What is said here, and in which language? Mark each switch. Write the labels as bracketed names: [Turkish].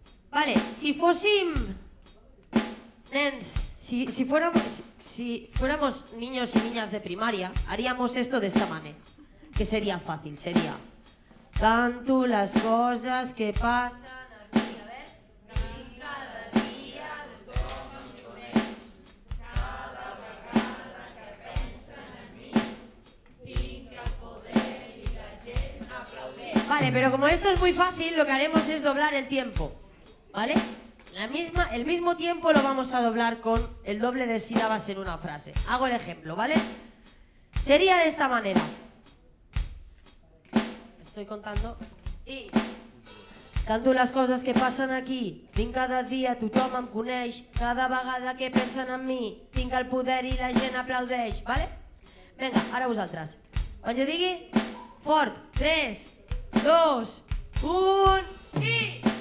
[Spanish] Vale, [Catalan] si fóssim nens, [Spanish] si fuéramos niños y niñas de primaria, haríamos esto de esta manera, que sería fácil, sería canto las cosas que pasan aquí, a ver. [Catalan] Cada día tothom em coneix, cada vegada que pensen en mi, tinc el poder i la gent aplaudeix. [Spanish] Vale, pero como esto es muy fácil, lo que haremos es doblar el tiempo, ¿vale? El mismo tiempo lo vamos a doblar con el doble de sílabas en una frase. Hago el ejemplo, ¿vale? Sería de esta manera. Estoy contando. Y canto las cosas que pasan aquí. [Catalan] Vinc cada dia, tothom em coneix. Cada vegada que pensen en mi, tinc el poder i la gent aplaudeix. ¿Vale? Venga, ara vosaltres. Quan jo digui, fort. 3, 2, 1, i...